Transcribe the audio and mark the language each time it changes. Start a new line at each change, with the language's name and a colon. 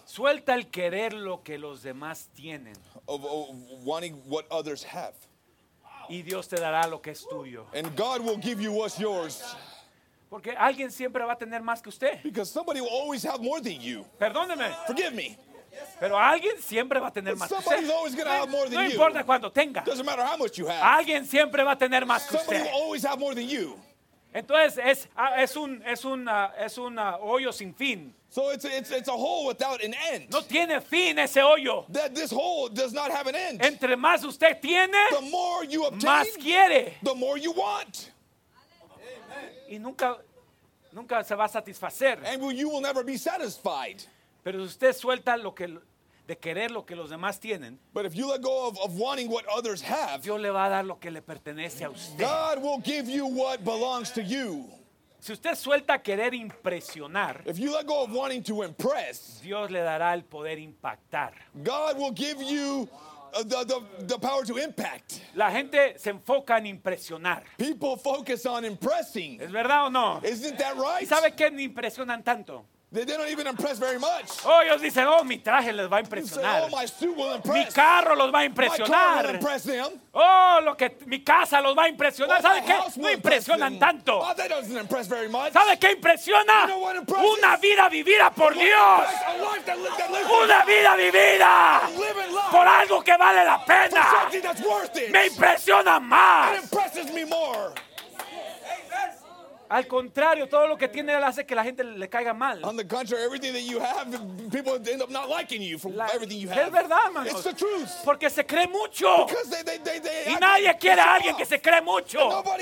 Spanish: Suelta el querer lo que los demás tienen.
English: Of wanting what others have.
Spanish: Y Dios te dará lo que es tuyo.
English: And God will give you what's yours.
Spanish: Porque alguien siempre va a tener más que usted.
English: Because somebody will always have more than you.
Spanish: Perdóneme.
English: Forgive me.
Spanish: Pero alguien siempre va a tener más.
English: Somebody's always going to have more than you.
Spanish: No importa cuánto tenga.
English: Doesn't matter how much you have.
Spanish: Alguien siempre va a tener más que usted.
English: Somebody will always have more than you.
Spanish: Entonces es un hoyo sin fin.
English: So it's a hole without an end.
Spanish: No tiene fin ese hoyo.
English: That this hole does not have an end.
Spanish: Entre más usted tiene,
English: the more you obtain,
Spanish: más quiere.
English: The more you want.
Spanish: Y nunca se va a satisfacer.
English: And you will never be satisfied.
Spanish: Pero si usted suelta lo que de querer lo que los demás tienen,
English: but if you let go of wanting what others have,
Spanish: Dios le va a dar lo que le pertenece a usted.
English: God will give you what belongs to you.
Spanish: Si usted suelta querer impresionar,
English: if you let go of wanting to impress,
Spanish: Dios le dará el poder impactar.
English: God will give you the power to impact.
Spanish: La gente se enfoca en impresionar.
English: People focus on impressing.
Spanish: ¿Es verdad o no?
English: Isn't that right?
Spanish: ¿Y sabe qué me impresionan tanto?
English: They don't even impress very much.
Spanish: Oh, ellos dicen, oh, mi traje les va a impresionar.
English: Say, oh, my suit will impress.
Spanish: Mi carro los va a impresionar.
English: My car will impress them.
Spanish: Oh, lo que mi casa los va a impresionar. Oh, ¿sabe qué? No impresionan tanto.
English: Oh, that doesn't impress very much.
Spanish: ¿Sabe qué impresiona?
English: You know what impresses?
Spanish: Una vida vivida por Dios.
English: A life that lives.
Spanish: Una vida vivida.
English: Life.
Spanish: Por algo que vale la pena.
English: For something that's worth it.
Spanish: Me impresiona más.
English: It impresses me more.
Spanish: Al contrario, todo lo que tiene le hace que la gente le caiga mal.
English: On the contrary, everything that you have, people end up not liking you for everything you have.
Spanish: Es verdad, hermano.
English: It's the truth.
Spanish: Porque se cree mucho.
English: Because they
Spanish: y nadie quiere a alguien que se cree mucho.